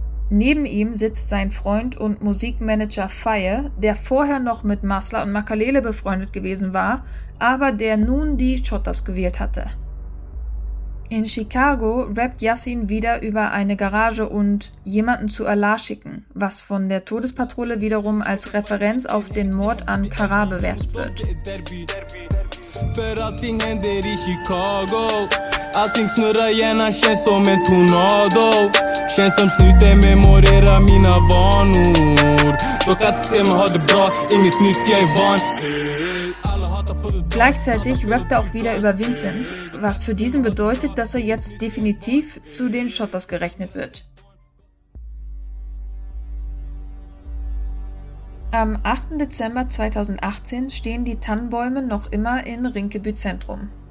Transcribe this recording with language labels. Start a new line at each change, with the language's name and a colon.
German: Neben ihm sitzt sein Freund und Musikmanager Faye, der vorher noch mit Masla und Makalele befreundet gewesen war, aber der nun die Schotters gewählt hatte. In Chicago rappt Yassin wieder über eine Garage und jemanden zu Allah schicken, was von der Todespatrouille wiederum als Referenz auf den Mord an Carrá bewertet wird.
Swedish: För allting händer i Chicago. Allting snurrar gärna, känns som en tornado. Känns som slutet memorera mina vanor. Dock att se mig ha det bra, inget nytt, jag är van.
German: Gleichzeitig rappt er auch wieder über Vincent, was für diesen bedeutet, dass er jetzt definitiv zu den Schotters gerechnet wird. Am 8. Dezember 2018 stehen die Tannenbäume noch immer in Rinkeby-Zentrum.